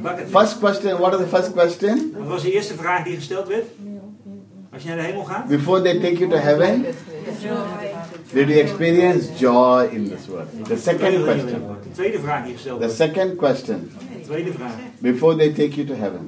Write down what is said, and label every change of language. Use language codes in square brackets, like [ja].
[en] First question, what is the first question? [nl] Wat was de eerste vraag die gesteld werd? Als je naar de hemel gaat? [en] Before they take you to heaven? Did you experience joy in this world? The second question. [nl] Tweede vraag die gesteld [en] werd. The second question. [nl] Tweede vraag. [en] Before they take you to heaven?